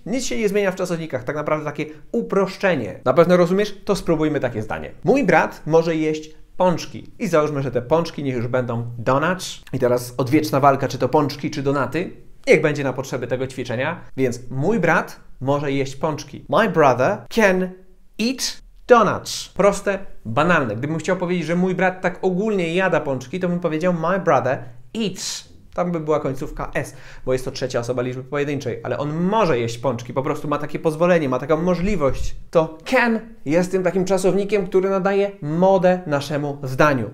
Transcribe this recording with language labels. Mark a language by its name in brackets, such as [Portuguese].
[Polish] Nic się nie zmienia w czasownikach. Tak naprawdę takie uproszczenie. Na pewno rozumiesz? To spróbujmy takie zdanie. Mój brat może jeść pączki. I załóżmy, że te pączki niech już będą donuts. I teraz odwieczna walka, czy to pączki, czy donaty. Niech będzie na potrzeby tego ćwiczenia. Więc mój brat może jeść pączki. [English] My brother can eat donuts. [Polish] Proste, banalne. Gdybym chciał powiedzieć, że mój brat tak ogólnie jada pączki, to bym powiedział [English] my brother eats. [Polish] Tam by była końcówka s, bo jest to trzecia osoba liczby pojedynczej. Ale on może jeść pączki, po prostu ma takie pozwolenie, ma taką możliwość. To can jest tym takim czasownikiem, który nadaje modę naszemu zdaniu.